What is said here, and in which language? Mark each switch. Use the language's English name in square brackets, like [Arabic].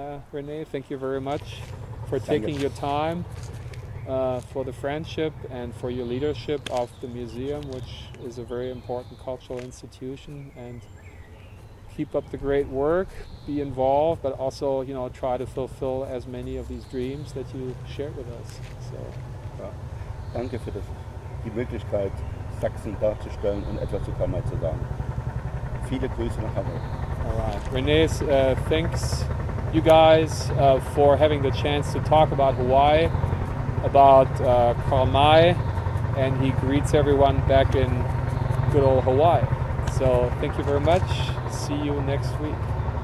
[English] Rene, thank you very much for taking your time, for the friendship and for your leadership of the museum, which is a very important cultural institution. And keep up the great work, be involved, but also, you know, try to fulfill as many of these dreams that you shared with us. [German] So, ja. Danke für die Möglichkeit, Sachsen darzustellen und etwas zu Karl-May zu sagen. Viele Grüße nach Hamburg. [English] All right. Rene, thanks you guys for having the chance to talk about Hawaii, about Karl-May, and he greets everyone back in good old Hawaii. So thank you very much. See you next week.